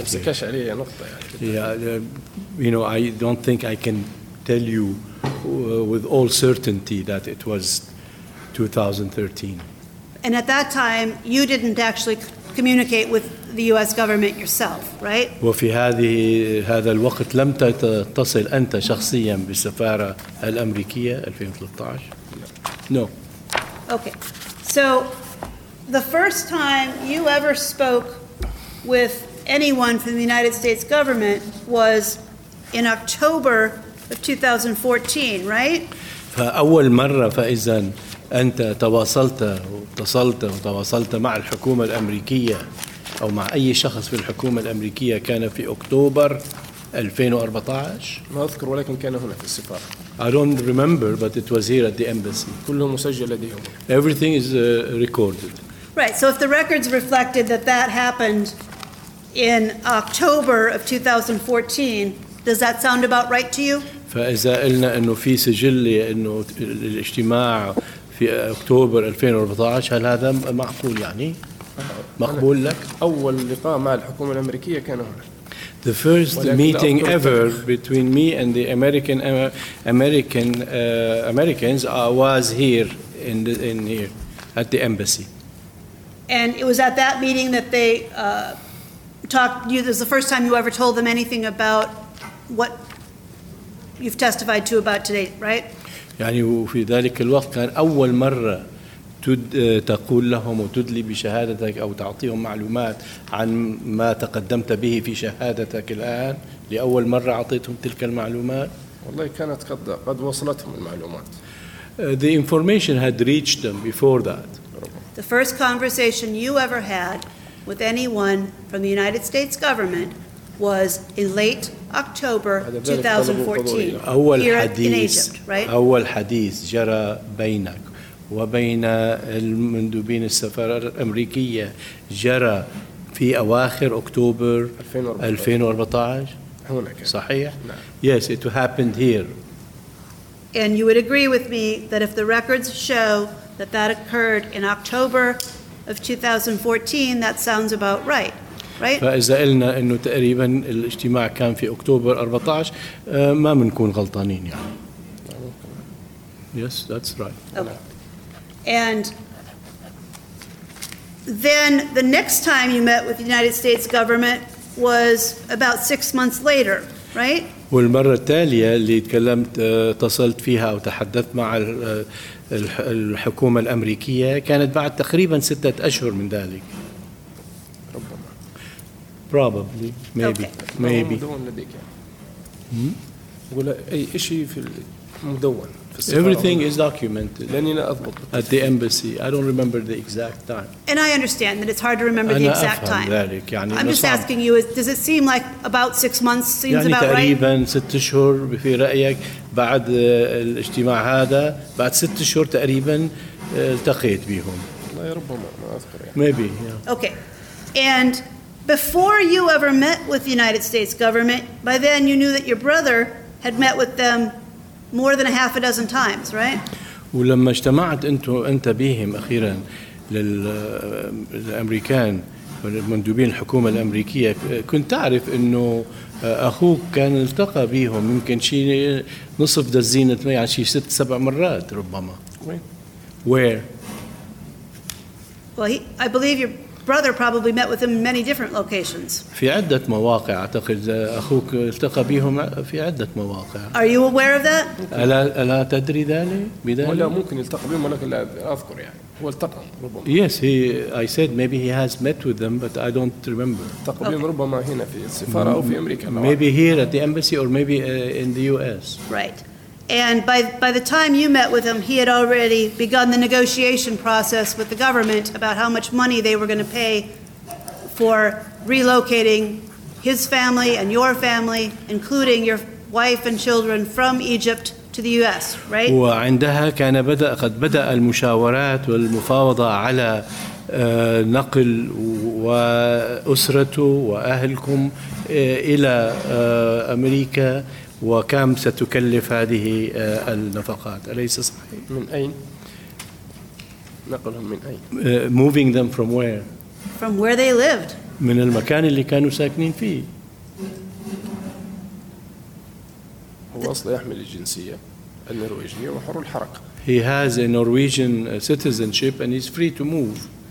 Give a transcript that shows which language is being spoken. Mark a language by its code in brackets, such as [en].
[en] I don't think I can tell you with all certainty that it was 2013. And at that time, you didn't actually communicate with the U.S. government yourself, right? [ar] وفي هذا الوقت لم تتصل أنت شخصيا بالسفارة الأمريكية 2013. [en] Okay. So, the first time you ever spoke with anyone from the United States government was in October of 2014, right? [ar] فأول مرة فإذا أنت تواصلت واتصلت وتواصلت مع الحكومة الأمريكية أو مع أي شخص في الحكومة الأمريكية كان في أكتوبر 2014 ما أذكر ولكن كان هنا في السفارة [en] I don't remember but it was here at the embassy [ar] كله مسجل لديهم [en] Everything is recorded Right, so if the records reflected that that happened in October of 2014 does that sound about right to you? [ar] فإذا قلنا أنه في سجل أنه الاجتماع في أكتوبر 2014 هل هذا معقول يعني؟ مقبول لك؟ أول لقاء مع الحكومة الأمريكية كان هنا. [en] The first meeting ever between me and the Americans was here in here at the embassy. And it was at that meeting that they talked. You, this is the first time you ever told them anything about what you've testified to about today, right? [ar] يعني في ذلك الوقت كان أول مرة. تقول لهم وتدلي بشهادتك أو تعطيهم معلومات عن ما تقدمت به في شهادتك الآن لأول مرة أعطيتهم تلك المعلومات والله كانت قد وصلتهم المعلومات [en] The information had reached them before that The first conversation you ever had with anyone from the United States government was in late October 2014 here in Egypt, right? [ar] أول حديث جرى بينك وبين المندوبين السفارة الأمريكية جرى في أواخر أكتوبر 2014 صحيح؟ نعم. [en] Yes, it happened here. And you would agree with me that if the records show that that occurred in October of 2014, that sounds about right, right? [ar] فإذا قلنا إنه تقريبا الاجتماع كان في أكتوبر 14 ما منكون غلطانين يعني. [en] Yes, that's right. Okay. And then the next time you met with the United States government was about 6 months later, right? [ar] والمرة التالية اللي تكلمت اتصلت فيها أو تحدثت مع الحكومة الأمريكية كانت بعد تقريبا ستة أشهر من ذلك. [en] Probably, maybe, okay. maybe. [ar] ولا أي شيء في المدون. [en] Everything is documented at the embassy. I don't remember the exact time. And I understand that it's hard to remember the exact time. [ar] ذلك. يعني [en] I'm just asking you, does it seem like about 6 months seems about right? [ar] يعني تقريباً ست شهور في رأيك بعد الاجتماع هذا بعد ست شهور تقريباً التقيت بهم. لا ربما ما أذكر يعني. [en] Maybe. Yeah. Okay. And before you ever met with the United States government, by then you knew that your brother had met with them more than a half a dozen times, right? [ar] ولما اجتمعت انت بهم اخيرا للامريكان والمندوبين الحكومه الامريكيه كنت تعرف انه اخوك كان التقى بهم يمكن شيء نصف دزينة يعني شيء ست سبع مرات ربما. [en] Where? Well, I believe your brother probably met with him in many different locations. [ar] في عدة مواقع أعتقد أخوك التقى بهم في عدة مواقع. [en] Are you aware of that? [ar] ألا تدري ذلك؟ ولا ممكن التقى بهم ولكن لا أذكر يعني. هو التقى ربما. [en] Yes, I said maybe he has met with them, but I don't remember. [ar] التقى بهم ربما هنا في السفارة أو في أمريكا. [en] Maybe here at the embassy or maybe in the U.S. Right. And by the time you met with him, he had already begun the negotiation process with the government about how much money they were going to pay for relocating his family and your family, including your wife and children, from Egypt to the U.S., right? [ar] وعندها كان بدأ المشاورات والمفاوضة على نقل وأسرته وأهلكم إلى أمريكا وكم ستكلف هذه النفقات أليس صحيح؟ من أين؟ نقلهم من أين؟ [en] Moving them from where? From where they lived. [ar] من المكان اللي كانوا ساكنين فيه. هو أصلا يحمل الجنسية النرويجية وحر الحركة. [en] He has a Norwegian citizenship and he's free to move.